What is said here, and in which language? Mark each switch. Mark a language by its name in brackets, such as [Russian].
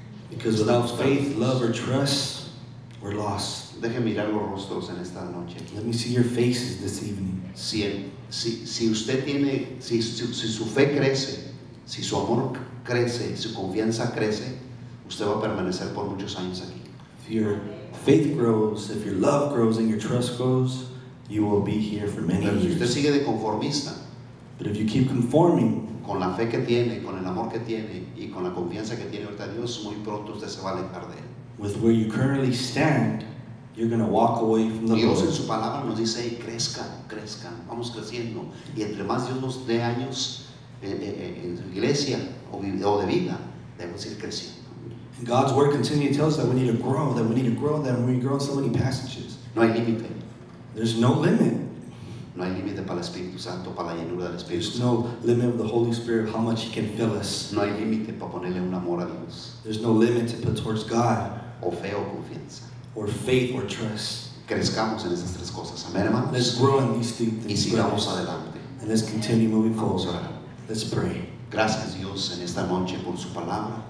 [English] Because without faith, love, or trust, we're lost. [Spanish] Déjenme mirar los rostros en esta noche. [English] Let me see your faces this evening. [Spanish] Si su fe crece, si su amor crece, su confianza crece, usted va a permanecer por muchos años aquí. [English] If your faith grows, if your love grows, and your trust grows, you will be here for many years. [Spanish] Pero si usted sigue de conformista, [English] But if you keep conforming, [Spanish] con la fe que tiene, con el amor que tiene y con la confianza que tiene ahorita Dios, muy pronto usted se va a alejar de él. [English] With where you currently stand, you're going to walk away from the [Spanish] Dios [English] Lord. [Spanish] En su palabra nos dice, hey, crezcan, crezcan, vamos creciendo. Y entre más Dios nos dé años en su iglesia o de vida, debemos ir creciendo. [English] And God's word continually tells us that we need to grow, that we need to grow, that we need to grow in so many passages. [Spanish] No hay límite. [English] There's no limit. [Spanish] No hay límite para el Espíritu Santo, para la llenura del Espíritu Santo. [English] There's no limit of the Holy Spirit, how much He can fill us. [Spanish] No hay límite para ponerle un amor a Dios. [English] There's no limit to put towards God. [Spanish] O fe o confianza. [English] Or faith or trust. [Spanish] Crezcamos en esas tres cosas. Amén, hermanos. [English] Let's grow in these three things. [Spanish] Y sigamos adelante. [English] And let's continue moving forward. [Spanish] Vamos a orar. [English] Let's pray. [Spanish] Gracias Dios en esta noche por su palabra.